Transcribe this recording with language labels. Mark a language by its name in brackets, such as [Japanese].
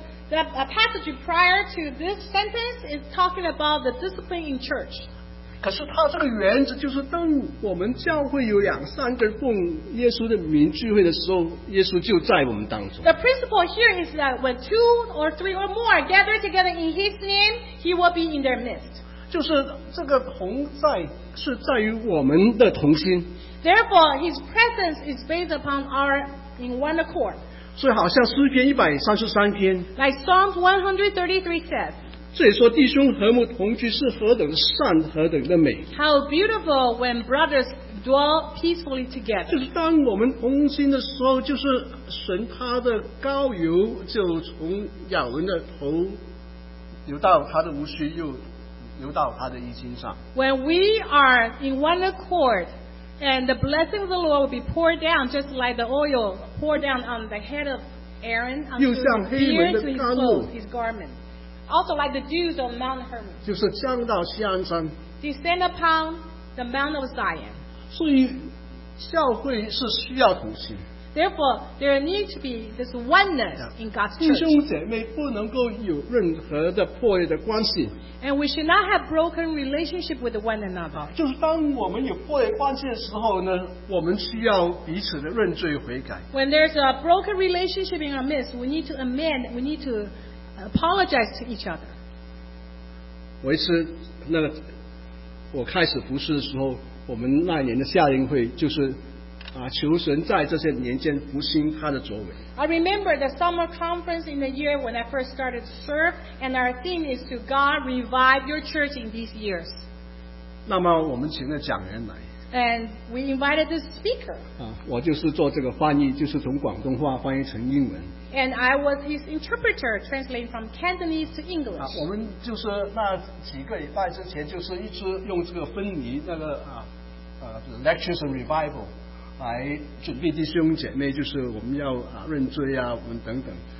[English] The passage prior to this sentence is talking about the discipline in church. [Chinese] 可是他这个原则就是，当我们教会有两三个奉耶稣的名聚会的时候，耶稣就在我们当中。 [English] The principle here is that when two or three or more are gathered together in His name, He will be in their midst. [Chinese] 就是这个同在是在于我们的同心。 [English] Therefore, His presence is based upon our in one accord. [Chinese] 所以好像诗篇133篇 [English] Like Psalms 133 says [Chinese] 这里说弟兄和睦同居是何等善何等的美 [English] How beautiful when brothers dwell peacefully together [Chinese] 就是当我们同心的时候就是神他的膏油就从亚伦的头流到他的胡须又流到他的衣襟上 [English] When we are in one accordAnd the blessing of the Lord will be poured down just like the oil poured down on the head of Aaron on the ear to his clothes, his garment. Also like the dews on Mount Hermon. [Chinese] 就是降到锡安山 [English] Descend upon the Mount of Zion. [Chinese] 所以教会是需要同心 [English] Therefore, there needs to be this oneness in God's church. [Chinese] 弟兄姐妹不能够有任何的破裂的关系。 [English] And we should not have broken relationship with one another. [Chinese] 就是当我们有破裂关系的时候呢，我们需要彼此的认罪悔改。 [English] When there's a broken relationship in our midst, we need to amend, we need to apologize to each other. [Chinese] 我一次那个我开始服侍的时候，我们那年的夏令会就是求神在这些年间复兴他的作为。 [English] I remember the summer conference in the year when I first started to serve, and our theme is to God revive your church in these years. [Chinese] 那么我们请了讲员来。 [English] And we invited this speaker. [Chinese] 我就是做这个翻译，就是从广东话翻译成英文。 [English] And I was his interpreter, translating from Cantonese to English. [Chinese] 我们就是那几个礼拜之前，就是一直用这个芬尼那个 [English] lectures on revival [Chinese] 来准备弟兄姐妹，就是我们要认罪啊，我们等等，